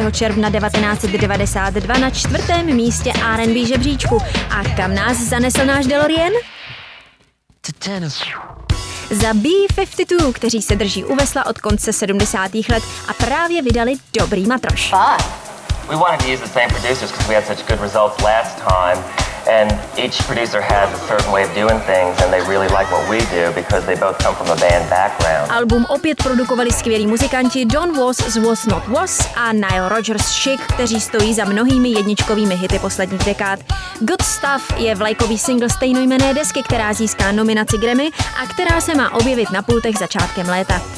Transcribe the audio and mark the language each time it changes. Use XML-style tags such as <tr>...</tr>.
<cs>června 1992 na 4. místě R&B žebříčku. A kam nás zanesl náš DeLorean? Za B-52, kteří se drží u vesla od konce 70. let a právě vydali Dobrý matroš.</cs> <en>We wanted to use the same producers because we had such good results last time. And each producer has a certain way of doing things and they really like what we do because they both come from a band background.</en> <cs>Album opět produkovali skvělí muzikanti Don Was z Was Not Was a Nile Rodgers Chic, kteří stojí za mnohými jedničkovými hity posledních dekád. Good Stuff je vlajkový single stejnojmenné desky, která získá nominaci Grammy a která se má objevit na pultech začátkem léta.</cs>